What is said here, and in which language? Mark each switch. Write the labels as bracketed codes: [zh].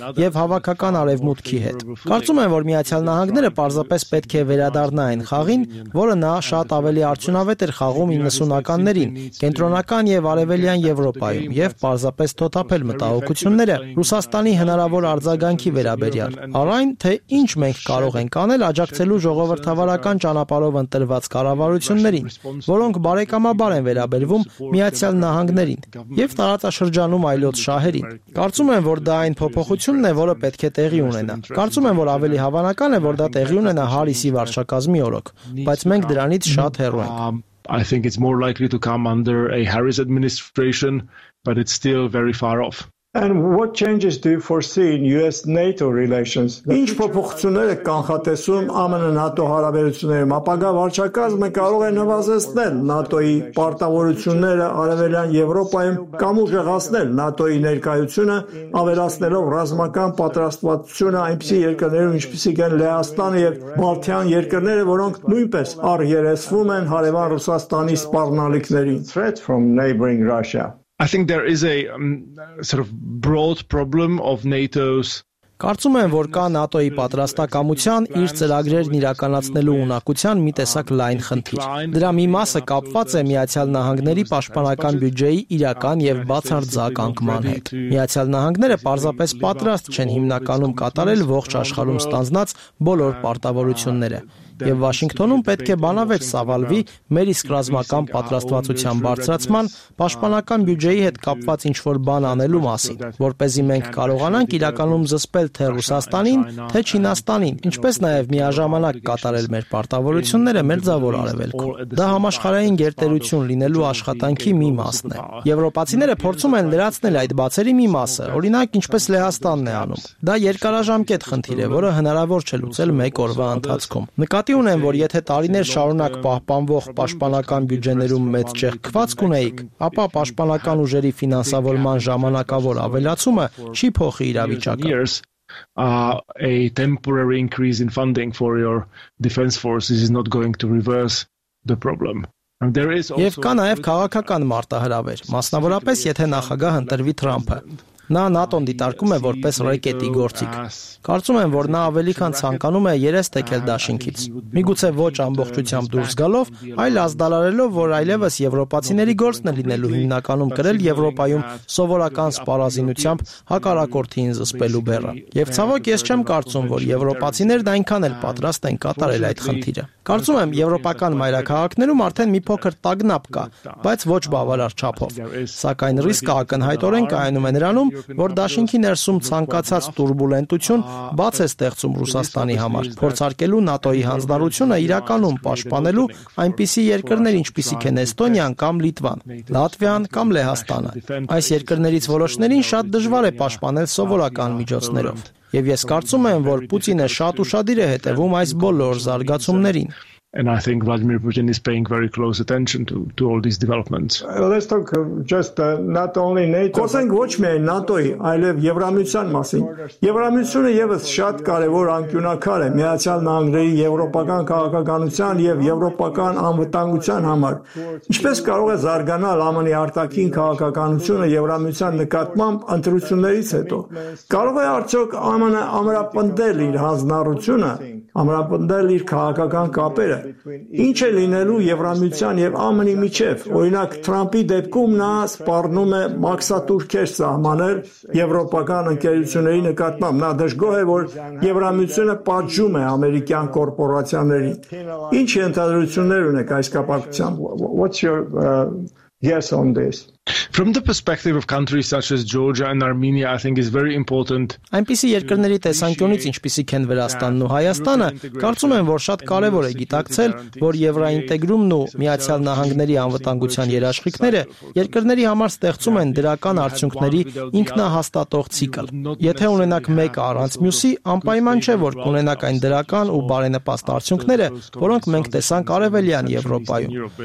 [hy] եւ հավաքական արևմուտքի հետ, կարծում եմ, որ Միացյալ Նահանգները պարզապես պետք է վերադառնա այն խաղին, որը նա շատ ավելի արդյունավետ էր խաղում 90-ականներին կենտրոնական եւ արևելյան Եվրոպայում, եւ պարզապես թոթափել մտահոգությունները Ռուսաստանի հնարավոր արձագանքի վերաբերյալ, առայն թե ինչ մենք կարող ենք անել աջակցելու ժողովրդավարական ճանապարհով ընտրված կառավարություններին, որոնք բարեկամաբար են վերաբերվում Միացյալ Նահանգներին և տարածաշրջանում այլոց շահերին։ Կարծում եմ, որ դա այն փոփոխությունն է, որը պետք է տեղի ունենա։ Կարծում եմ, որ ավելի հավանական է, որ դա տեղի ունենա Հարիսի վարչակազմի օրոք, բայց մենք դրանից շատ հեռու ենք։ [en] I think it's more likely to come under a Harris administration, but it's still very far off. And what changes do you foresee in US-NATO relations? [hy] Ինչ փոփոխություններ եք կանխատեսում ԱՄՆ-ՆԱՏՕ հարաբերություններում? Ապագա վարչակազմը կարող է նվազեցնել ՆԱՏՕ-ի պարտավորությունները արևելյան Եվրոպայում կամ ուժեղացնել ՆԱՏՕ-ի ներկայությունը, ավելացնելով ռազմական պատրաստվածությունը այնպիսի երկրներում, ինչպիսիք են Լեհաստանը եւ Բալթյան երկրները, որոնք նույնպես առերեսվում են հարևան Ռուսաստանի սպառնալիքներին. [en] Threat from neighboring Russia. I think there is a sort of broad problem of NATO's. [hy] Կարծում եմ, որ կա ՆԱՏՕ-ի պատրաստակամության իր ծրագրերն իրականացնելու ունակության մի տեսակ լայն խնդիր։ Դրա մի մասը կապված է Միացյալ Նահանգների պաշտպանական բյուջեի իրական եւ բացարձակ անկման հետ։ Միացյալ Նահանգները պարզապես պատրաստ չեն հիմնականում կատարել ողջ աշխարհում ստանձնած բոլոր պարտավորությունները։ Եվ Վաշինգտոնում պետք է բանավեճ սավալվի մեր իսկ ռազմական պատրաստվածության բարձրացման, պաշտպանական բյուջեի հետ կապված ինչ-որ բան անելու մասին, որպեսզի մենք կարողանանք իրականում զսպել թե Ռուսաստանին, թե Չինաստանին, ինչպես նաև միաժամանակ կատարել մեր պարտավորությունները մեր ձավոր արևելքում։ Դա համաշխարհային գերտերություն լինելու աշխատանքի մի մասն է։ Եվրոպացիները փորձում են լրացնել այդ բացերի մի մասը, օրինակ ինչպես Լեհաստանն է անում։ Դա երկարաժամկետ խնդիր է, որը հնարավոր չէ լուծել մեկ օրվա ընթացքում։ Նկատի ունեմ, որ եթե տարիներ շարունակ պահպանվող պաշտպանական բյուջեներում մեծ ճեղքված կունեիք, ապա պաշտպանական ուժերի ֆինանսավորման ժամանակավոր ավելացումը չի փոխի իրավիճակը։ [en] A temporary increase in funding for your defense forces is not going to reverse the problem. [hy] Եվ կա նաև քաղաքական մարտահրավեր, մասնավորապես եթե նախագահը ընտրվի Թրամփը։ Նա ՆԱՏՕ-ն դիտարկում է որպես ռեկետի գործիք։ Կարծում եմ, որ նա ավելի քան ցանկանում է երես թեքել դաշինքից։ Միգուցե ոչ ամբողջությամբ դուրս գալով, այլ ազդարարելով, որ այլևս եվրոպացիների գործն է լինելու հիմնականում կրել Եվրոպայում սովորական սպառազինությամբ հակառակորդին զսպելու բեռը։ Եվ ցավոք ես չեմ կարծում, որ եվրոպացիներն այնքան էլ պատրաստ են կատարել այդ խնդիրը։ Կարծում եմ, եվրոպական մայրաքաղաքներում արդեն մի փոքր տագնապ կա, բայց ոչ բավարար չափով։ Սակայն ռիսկը ակնհայտորեն կայանում է նրա որ դաշինքի ներսում ցանկացած տուրբուլենտություն բաց է ստեղծում Ռուսաստանի համար, փորձարկելու ՆԱՏՕ-ի հանձնարությունը իրականում պաշտպանելու այնպիսի երկրներ, ինչպիսիք են Էստոնիան կամ Լիտվան, Լատվիան կամ Լեհաստանը։ Այս երկրներից ոլորտներին շատ դժվար է պաշտպանել սովորական միջոցներով, եւ ես կարծում եմ, որ Պուտինը շատ ուշադիր է հետևում այս բոլոր զարգացումներին։ [en] And I think Vladimir Putin is paying very close attention to all these developments. Let's talk just not only NATO. [hy] Կոսենք ոչ միայն ՆԱՏՕ-ի, այլև Եվրամիության մասին։ Եվրամիությունը եւս շատ կարեւոր անկյունակար է Միացյալ Նահանգների եվրոպական քաղաքականության եւ եվրոպական անվտանգության համար։ Ինչպես կարող է զարգանալ ԱՄՆ-ի արտաքին քաղաքականությունը Եվրամիության նկատմամբ ընտրություններից հետո։ Կարող է արդյոք ԱՄՆ-ը ամրապնդել իր հանձնառությունը, ամրապնդել իր քաղաքական կապերը։ Ինչ է լինելու Եվրամիության եւ ԱՄՆ-ի միջեւ։ Օրինակ Թրամփի դեպքում նա սպառնում է մաքսատուրքեր սահմանել եվրոպական ընկերությունների նկատմամբ։ Նա դժգոհ է, որ Եվրամիությունը պատժում է ամերիկյան կորպորացիաներին։ Ինչ ենթադրություններ ունեք այս կապակցությամբ? [en] What's your guess on this? From the perspective of countries such as Georgia and Armenia, I think it's very important. [hy] Այնպես երկրների տեսանկյունից, ինչպիսիք են Վրաստանն ու Հայաստանը, կարծում եմ, որ շատ կարևոր է դիտակցել, որ եվրոինտեգրումն ու Միացյալ Նահանգների անվտանգության երաշխիքները երկրների համար ստեղծում են դրական արդյունքների ինքնահաստատող ցիկլ։ Եթե ունենակ մեկը առանց մյուսի, անպայման չէ, որ կունենակ այն դրական ու բարենպաստ արդյունքները, որոնք մենք տեսանք արևելյան Եվրոպայում՝